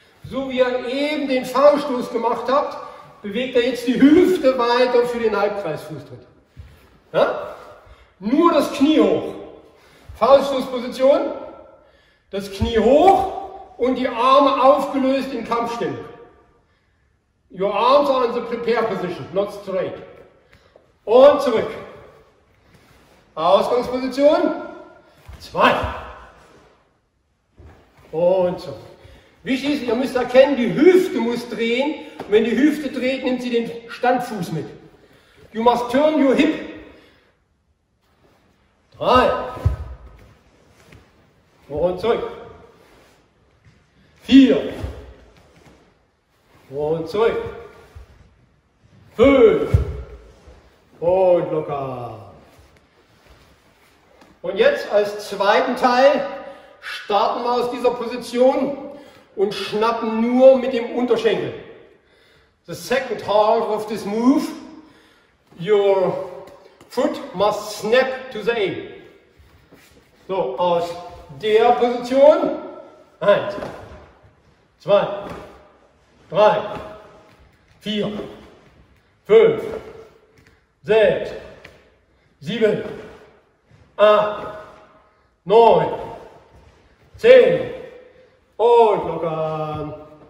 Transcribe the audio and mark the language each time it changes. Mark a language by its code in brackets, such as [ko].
[de] So wie ihr eben den Faustschluss gemacht habt, bewegt er jetzt die Hüfte weiter für den Halbkreisfußtritt. Ja? Nur das Knie hoch. Faustschlussposition. Das Knie hoch und die Arme aufgelöst in Kampfstellung. [en] Your arms are in the prepare position, not straight. [de] Und zurück. Ausgangsposition. Zwei. Und so. Wichtig ist, ihr müsst erkennen, die Hüfte muss drehen. Und wenn die Hüfte dreht, nimmt sie den Standfuß mit. [en] You must turn your hip. [de] Drei. Und zurück. Vier. Und zurück. Fünf. Und locker. Und jetzt als zweiten Teil starten wir aus dieser Position und schnappen nur mit dem Unterschenkel. [en] The second half of this move, your foot must snap to the aim. [de] So, aus der Position, eins, zwei, drei, vier, fünf, sechs, sieben, acht, neun, zehn und locker.